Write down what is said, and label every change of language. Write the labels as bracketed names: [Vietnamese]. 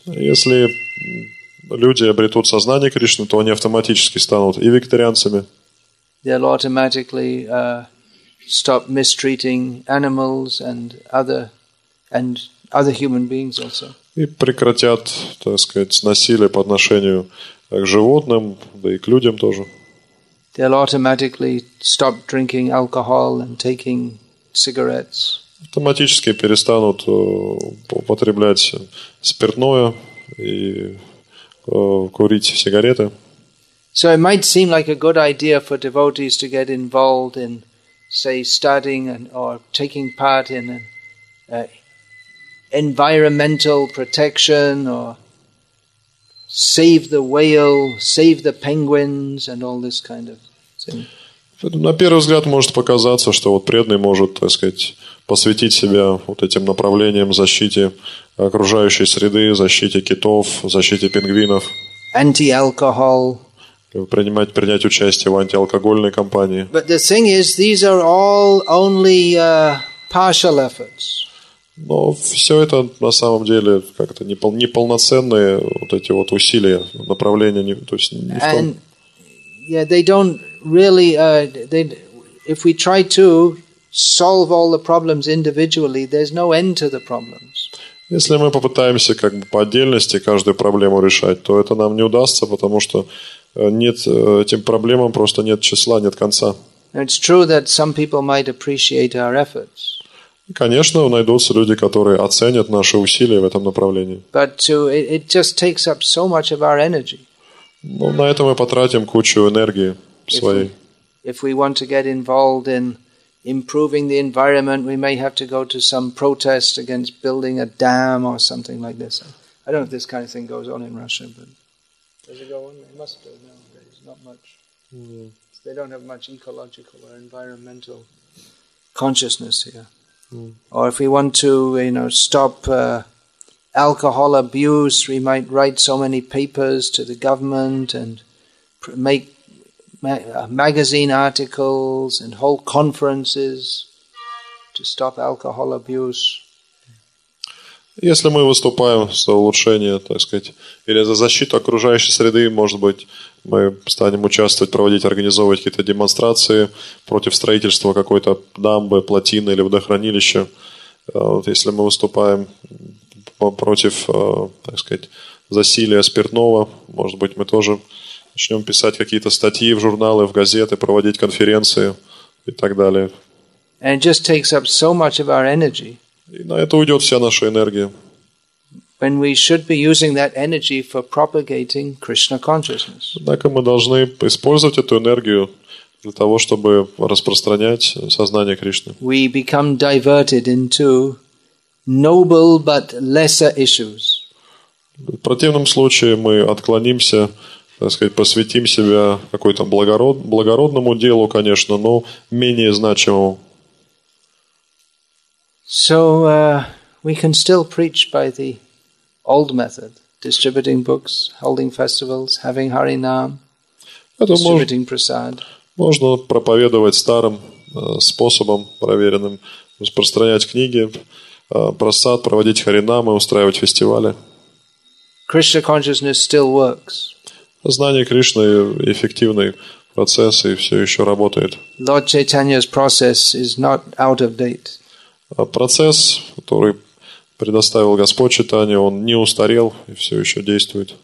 [Russian] Если люди обретут сознание Кришны, то они автоматически станут и вегетарианцами. [English] They'll automatically stop mistreating animals and other human beings also. [Russian] И прекратят, так сказать, насилие по отношению к животным, да и к людям тоже. [English] They'll automatically stop drinking alcohol and taking cigarettes. [Russian] Автоматически перестанут употреблять спиртное и курить сигареты. [English] So it might seem like a good idea for devotees to get involved in, say, studying and or taking part in environmental protection or save the whale, save the penguins and all this kind of thing. [Russian] На первый взгляд может показаться, что вот преданный может, так сказать, посвятить себя вот этим направлениям защиты окружающей среды, защиты китов, защиты пингвинов. [English] Anti-alcohol. [Russian] Принять участие в антиалкогольной кампании. [English] But the thing is, these are all only partial efforts. [Russian] Но все это на самом деле как-то неполноценные вот эти вот усилия, направления, то есть не в том. [English] And, yeah, they don't really. They, if we try to solve all the problems individually, there's no end to the problems. [Russian] Если мы попытаемся как бы по отдельности каждую проблему решать, то это нам не удастся, потому что нет, этим проблемам просто нет числа, нет конца. [English] It's true that some people might appreciate our efforts. [Russian] Конечно, найдутся люди, которые оценят наши усилия в этом направлении. [English] But it just takes up so much of our energy. [Russian] Но на это мы потратим кучу энергии своей. [English] If we want to get involved in improving the environment, we may have to go to some protest against building a dam or something like this. I don't know if this kind of thing goes on in Russia, but does it go on? It must go nowadays. Not much. Mm. They don't have much ecological or environmental consciousness here. Or if we want to, you know, stop alcohol abuse, we might write so many papers to the government and make magazine articles and hold conferences to stop alcohol abuse. [Russian] Если мы выступаем за улучшение, так сказать, или за защиту окружающей среды, может быть, мы станем участвовать, проводить, организовывать какие-то демонстрации против строительства какой-то дамбы, плотины или водохранилища. Если мы выступаем против, так сказать, засилия спиртного, может быть, мы тоже начнем писать какие-то статьи в журналы, в газеты, проводить конференции и так далее. [English] And it just takes up so much of our energy. [Russian] И на это уйдет вся наша энергия. [English] When we should be using that energy for propagating Krishna consciousness. [Russian] Однако мы должны использовать эту энергию для того, чтобы распространять сознание Кришны. [English] We become diverted into noble but lesser issues. [Russian] В противном случае мы отклонимся, так сказать, посвятим себя какой-то благородному делу, конечно, но менее значимому. [English] So we can still preach by the old method, distributing books, holding festivals, having Harinam, distributing prasad. [Russian] Можно проповедовать старым способом, проверенным, распространять книги, прасад, проводить Харинамы, устраивать фестивали. [English] Krishna consciousness still works. [Russian] Знание Кришны – эффективный процесс и все еще работает. [English] Lord Chaitanya's process is not out of date. [Russian] Процесс, который предоставил Господь Чайтанья, он не устарел и все еще действует.